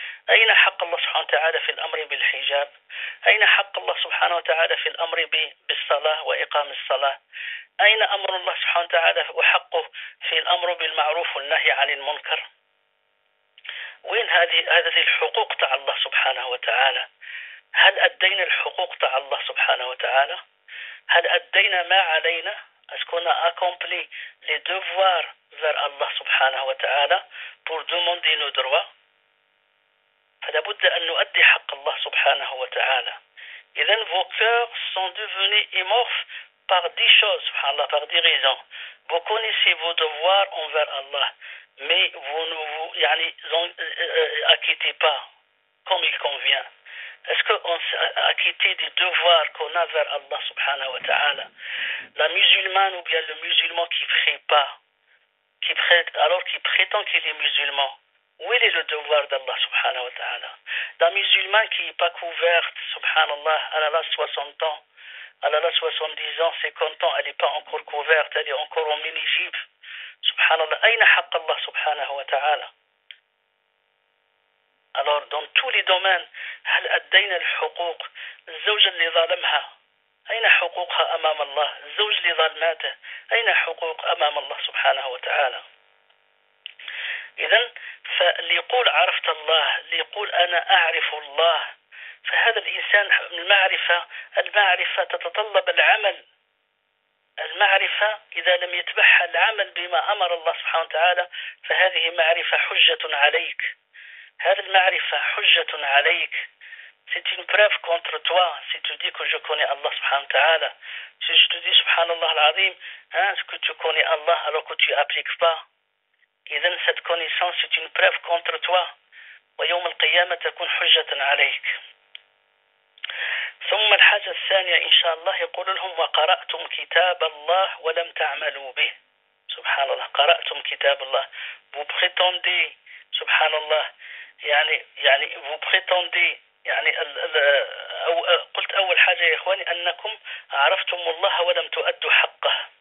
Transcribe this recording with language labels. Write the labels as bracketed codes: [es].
[ar] أين حق الله سبحانه وتعالى في الأمر بالحجاب؟ أين حق الله سبحانه وتعالى في الأمر بالصلاة وإقام الصلاة؟ أين أمر الله سبحانه وتعالى وحقه في الأمر بالمعروف والنهي عن المنكر؟ وين هذه الحقوق تاع الله سبحانه وتعالى؟ هل أدينا الحقوق تاع الله سبحانه وتعالى؟ هل أدينا ما علينا؟ [fr] Est-ce qu'on a accompli les devoirs vers Allah subhanahu wa ta'ala pour demander nos droits? [ar] فلا بد أن نؤدي حق الله سبحانه وتعالى. [fr] إذن vos cœurs sont devenus immorphes par 10 choses, subhanallah, par 10 raisons. Vous connaissez vos devoirs envers Allah, mais vous ne vous يعني, acquittez pas comme il convient. Est-ce qu'on s'est acquitté des devoirs qu'on a vers Allah subhanahu wa ta'ala? La musulmane ou bien le musulman qui ne prie pas, alors qu'il prétend qu'il est musulman, où est le devoir d'Allah subhanahu wa ta'ala? La musulmane qui n'est pas couverte, subhanallah, elle a là 60 ans, elle a là 70 ans, 50 ans, elle n'est pas encore couverte, elle est encore en mini-jib. [ar] Subhanallah, aïna haqq Allah subhanahu wa ta'ala. [fr] Alors, dans tous les domaines, [ar] هل أدينا الحقوق الزوجة اللي ظالمها أين حقوقها أمام الله الزوج اللي ظالماته أين حقوق أمام الله سبحانه وتعالى إذن فليقول عرفت الله ليقول أنا أعرف الله فهذا الإنسان المعرفة تتطلب العمل المعرفة إذا لم يتبعها العمل بما أمر الله سبحانه وتعالى فهذه معرفة حجة عليك هذه المعرفة حجة عليك [fr] C'est une preuve contre toi si tu dis que je connais Allah subhanahu wa ta'ala. Si je te dis subhanallah al-azim, hein, est-ce que tu connais Allah alors que tu n'appliques pas? Et donc cette connaissance c'est une preuve contre toi. [ar] وَيَوْمَ الْقِيَامَةَ تَكُونْ حُجَّةً عَلَيْكَ ثم الحاجة الثانية إن شاء الله يقول لهم وَقَرَأْتُمْ كِتَابَ اللَّهِ وَلَمْ تَعْمَلُوا بِهِ Subhanallah, قَرَأْتُمْ كِتَابَ اللَّهِ [fr] Vous prétendez, [ar] subhanallah, يعني vous prétendez يعني أو قلت أول حاجة يا إخواني أنكم عرفتم الله ولم تؤدوا حقه